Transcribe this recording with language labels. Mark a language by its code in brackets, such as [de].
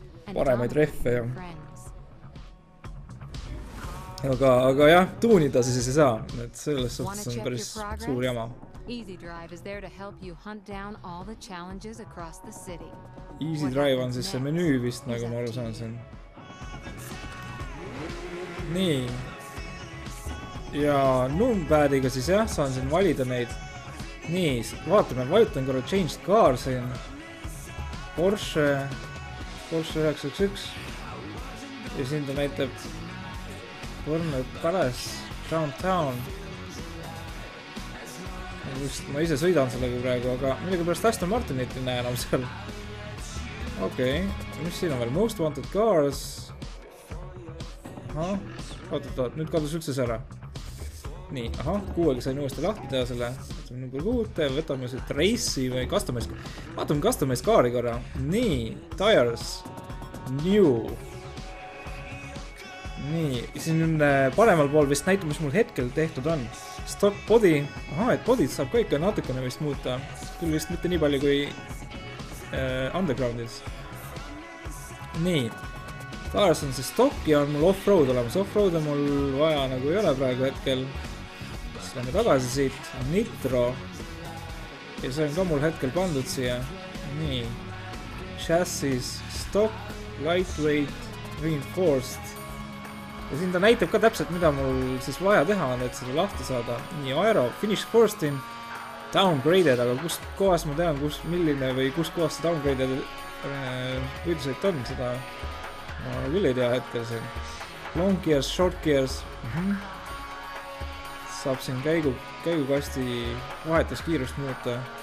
[et] Paremaid rehve ja... Aga jah, tuunida siis ei saa, et selles suhtes on päris suur jama. [en] Easy Drive is there to help you hunt down all the challenges across the city. [et] Easy Drive on siis see menüü vist, nagu ma aru saan siin. Nii. Ja numpadiga siis jah, saan siin valida neid. Nii, vaatame, vajutan korra Change Car siin. Porsche 911. Ja siin ta näitab Burnout Palace, Downtown. Just, ma ise sõidan sellega praegu, aga millega pärast Aston Martinit ei näe enam seal. Okei, mis siin on veel? Most Wanted Cars. Ootad, nüüd kadus üldse ära. Nii, aha, kuuega sain uuesti lahti teha selle. Võtame number 6, võtame siit Race'i või Customize. Vaatame Customize kaari korra. Nii, Tires, New. Nii, siin on paremal pool vist näitu, mis mul hetkel tehtud on. Stock body, aha, et bodyt saab ka ikka natukene vist muuta. Küll vist mitte nii palju kui Undergroundis. Nii, taas on see stock ja on mul offroad olemas. Offroad on mul vaja nagu ei ole praegu hetkel. Siis lähme tagasi siit, on nitro. Ja see on ka mul hetkel pandud siia. Nii, chassis, stock, lightweight, reinforced. Ja siin ta näitab ka täpselt, mida mul siis vaja teha on, et seda lahti saada. Nii, aero, finish forcing, downgraded, aga kus kohas ma tean, kus milline või kus kohas see downgraded üldiselt on, seda ma küll ei tea hetkel siin. Long gears, short gears, saab siin käigukasti vahetus kiirust muuta.